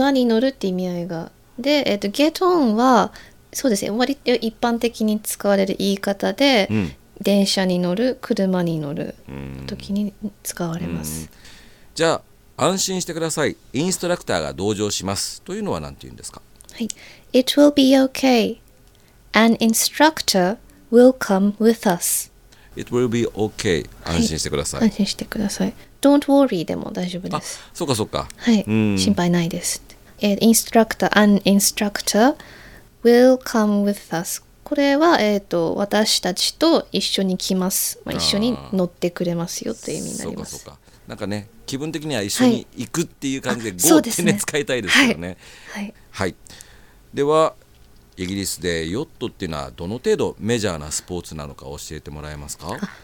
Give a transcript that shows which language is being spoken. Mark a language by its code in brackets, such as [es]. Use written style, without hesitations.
[ja] 馬に乗るっていう意味合いがで、Get on はそうですね、割と一般的に使われる言い方で、うん、電車に乗る、車に乗る時に使われます。じゃあ、安心してください。インストラクターが同乗します。というのは何て言うんですか？はい。 [en] It will be okay. An instructor will come with us. It will be okay. [ja] 安心してください。はい、安心してください。 [en] Don't worry [ja] でも大丈夫です。あ、そうかそうか。はい。心配ないです。 [en] An instructor will come with us. [ja] これは、私たちと一緒に来ます、まあ、一緒に乗ってくれますよという意味になります。そうかそうか、なんかね、気分的には一緒に行くっていう感じで、はい、ゴーって、ね、使いたいですよね、はいはいはい、ではイギリスでヨットっていうのはどの程度メジャーなスポーツなのか教えてもらえますか。